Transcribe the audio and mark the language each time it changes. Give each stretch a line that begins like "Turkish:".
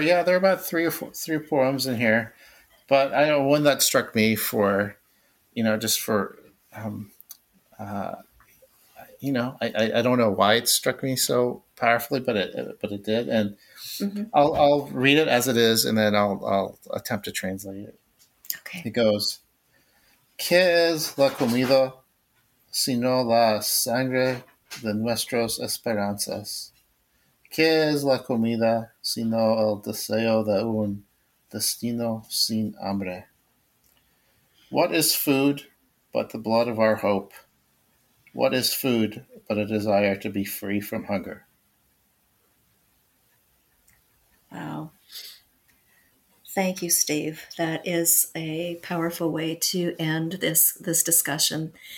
English: Yeah, there are about three poems in here. But I know one that struck me I don't know why it struck me so powerfully, but it did. And I'll read it as it is, and then I'll attempt to translate it. Okay. It goes,
Spanish: ¿Qué es la comida sino la sangre de nuestras esperanzas? ¿Qué es la comida sino el deseo de un destino sin hambre?
English: What is food but the blood of our hope? What is food but a desire to be free from hunger? Wow. Thank you, Steve. That is a powerful way to end this discussion.